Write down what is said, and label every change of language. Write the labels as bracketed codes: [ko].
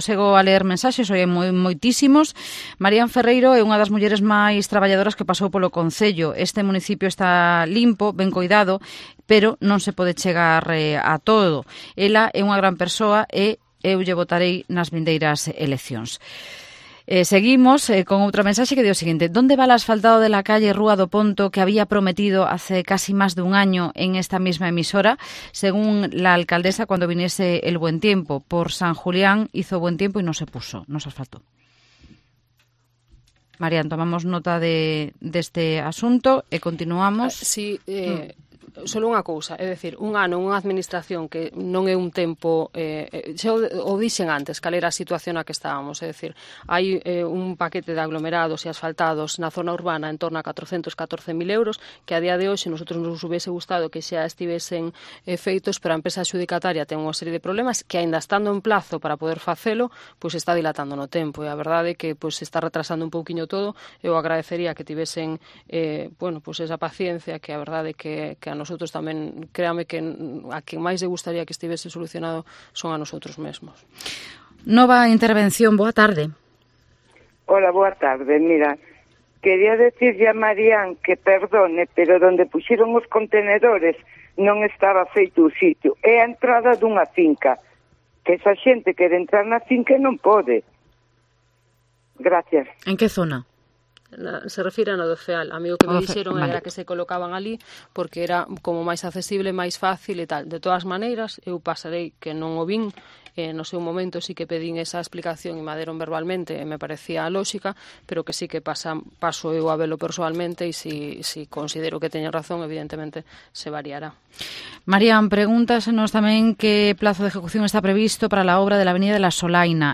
[gl] Sego a leer mensaxes, hoxe moitísimos. Marían Ferreiro é unha das mulleres máis traballadoras que pasou polo concello. Este municipio está limpo, ben cuidado, pero non se pode chegar a todo. Ela é unha gran persoa e eu lle votarei nas vindeiras eleccións. Seguimos con outra mensaxe que dio o seguinte. [es] Donde va o asfaltado de la calle Rúa do Ponto que había prometido hace casi más de un año en esta misma emisora, según la alcaldesa, cuando viniese el buen tiempo? Por San Julián hizo buen tiempo y no se puso, no se asfaltó. [gl] Marian, tomamos nota de este asunto e continuamos. Solo unha cousa, é dicir, un ano, unha administración que non é un tempo, xa o dixen antes, cal era a situación a que estábamos, é dicir, hai un paquete de aglomerados e asfaltados na zona urbana en torno a 414.000 euros, que a día de hoxe [es] nosotros nos hubiese gustado [gl] que xa estivesen feitos, pero a empresa adxudicataria ten unha serie de problemas que, aínda estando en plazo para poder facelo, pues está dilatando no tempo, e a verdade é que pues está retrasando un pouquiño todo. Eu agradecería que tivesen esa paciencia, que a verdade é que a nosotros tamén, créame que a quen máis lle gustaría que estivese solucionado son a nosotros mesmos. Nova intervención, boa tarde. Hola, boa tarde. [es] Mira, quería decirle a Marían que perdone, pero donde pusieron [gl] os contenedores non estaba feito o sitio. É a entrada dunha finca. Que esa xente quere entrar na finca e non pode. Gracias. En que zona? Se refire a no do FEAL. A mí o que me dixeron era que se colocaban ali porque era como máis accesible, máis fácil e tal. De todas maneiras, eu pasarei que non o vin. No sei, un momento sí que pedín esa explicación e me aderon verbalmente, me parecía lógica, pero que sí que paso eu a velo personalmente e si considero que teño razón, evidentemente se variará. [es] Marían, pregúntasenos tamén que plazo de ejecución está previsto para la obra de la Avenida de la Solaina.